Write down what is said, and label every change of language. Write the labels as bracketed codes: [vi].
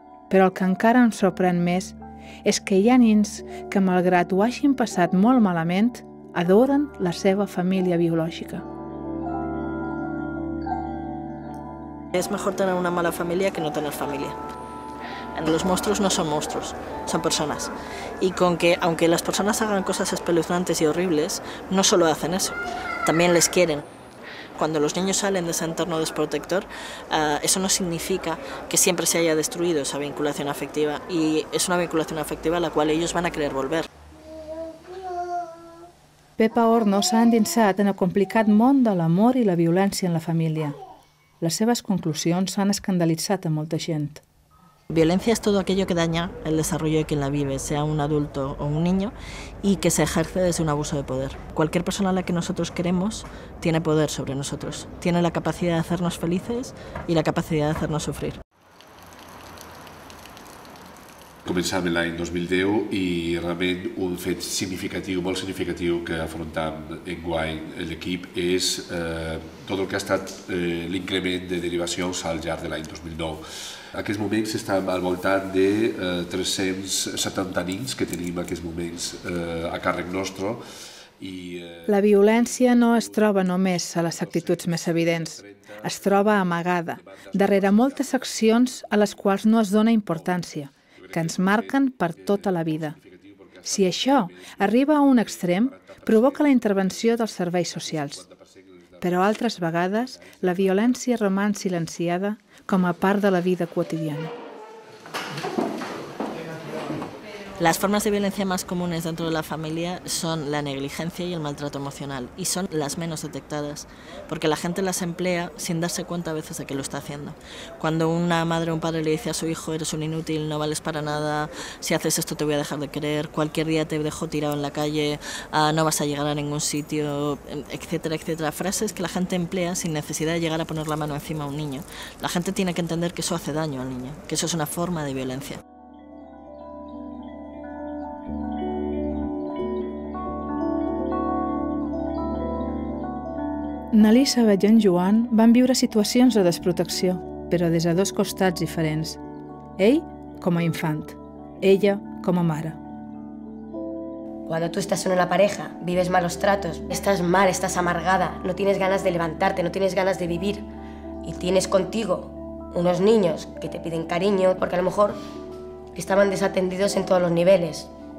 [ca] Però el que encara em sorprèn més és que hi ha nins que, malgrat ho hagin passat molt malament, adoren la seva família biològica. És millor tenir una mala família que no tenir família. [es] Los monstruos no son monstruos, son personas. Y con que, aunque las personas hagan cosas espeluznantes y horribles, no solo hacen eso, también les quieren. Cuando los niños salen de ese entorno desprotector, eso no significa que siempre se haya destruido esa vinculación afectiva. Y es una vinculación afectiva a la cual ellos van a querer volver. [ca] Pepa Horno s'ha endinsat en el complicat món de l'amor i la violència en la família. Les seves conclusions s'han escandalitzat a molta gent. [es] Violencia es todo aquello que daña el desarrollo de quien la vive, sea un adulto o un niño, y que se ejerce desde un abuso de poder. Cualquier persona a la que nosotros queremos tiene poder sobre nosotros. Tiene la capacidad de hacernos felices y la capacidad de hacernos sufrir. [ca] Començàvem l'any 2010 i realment un fet significatiu, molt significatiu, que afrontam enguany l'equip és tot el que ha estat l'increment de derivacions al llarg de l'any 2009. En aquests moments estem al voltant de 370 nins que tenim en aquests moments a càrrec nostre. La violència no es troba només a les actituds més evidents. Es troba amagada, darrere moltes accions a les quals no es dona importància, que ens marquen per tota la vida. Si això arriba a un extrem, provoca la intervenció dels serveis socials. Però altres vegades la violència roman silenciada com a part de la vida quotidiana. [es] Las formas de violencia más comunes dentro de la familia son la negligencia y el maltrato emocional, y son las menos detectadas, porque la gente las emplea sin darse cuenta a veces de que lo está haciendo. Cuando una madre o un padre le dice a su hijo, eres un inútil, no vales para nada, si haces esto te voy a dejar de querer, cualquier día te dejo tirado en la calle, no vas a llegar a ningún sitio, etcétera, etcétera. Frases que la gente emplea sin necesidad de llegar a poner la mano encima a un niño. La gente tiene que entender que eso hace daño al niño, que eso es una forma de violencia. [ca] Elisabet i en Joan van viure situacions de desprotecció, però des de dos costats diferents. Ell com a infant, ella com a mare. [es] Cuando tú estás en una pareja, vives malos tratos, estás mal, estás amargada, no tienes ganas de levantarte, no tienes ganas de vivir, y tienes contigo unos niños que te piden cariño porque a lo mejor estaban desatendidos en todos los niveles.